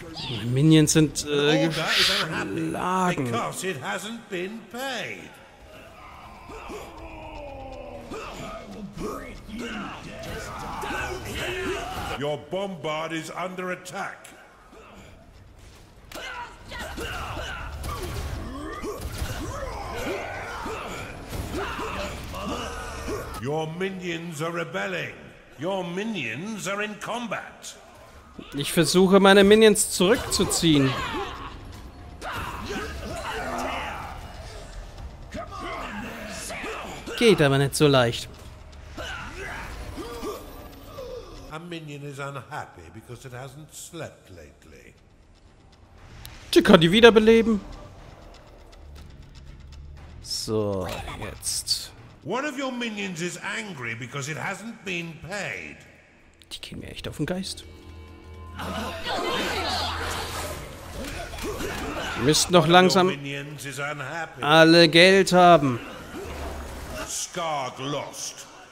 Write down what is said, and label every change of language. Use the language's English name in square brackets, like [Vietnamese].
[German] Meine Minions sind geschlagen. [English] Because it hasn't been paid. Your bombard is under attack. Your minions are rebelling. Your minions are in combat. [German] Ich versuche, meine Minions zurückzuziehen. Geht aber nicht so leicht. [English] A minion is unhappy because it hasn't slept lately. [German] Die kann die wiederbeleben. So, jetzt. [English] One of your minions is angry because it hasn't been paid. [German] Die gehen mir echt auf den Geist. Wir müssten noch langsam alle Geld haben. [English] Skarg lost.